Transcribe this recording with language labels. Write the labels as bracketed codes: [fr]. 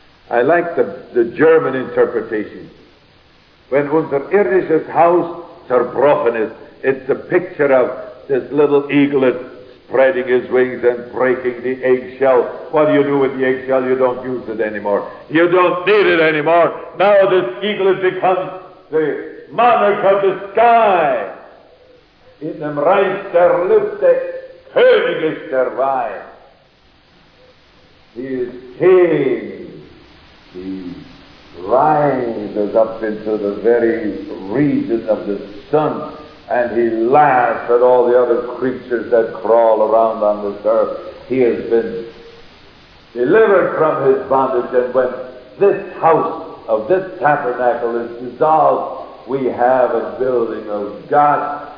[en] I like the German interpretation. When [de] unser irdisches Haus zerbrochen ist, [en] it's the picture of this little eaglet spreading his wings and breaking the eggshell. What do you do with the eggshell? You don't use it anymore. You don't need it anymore. Now this eaglet becomes the monarch of the sky. [de] In dem Reich der Lüfte, König ist der Wein. [en] He is king. He rises up into the very region of the sun, and he laughs at all the other creatures that crawl around on this earth. He has been delivered from his bondage, and when this house of this tabernacle is dissolved, we have a building of God.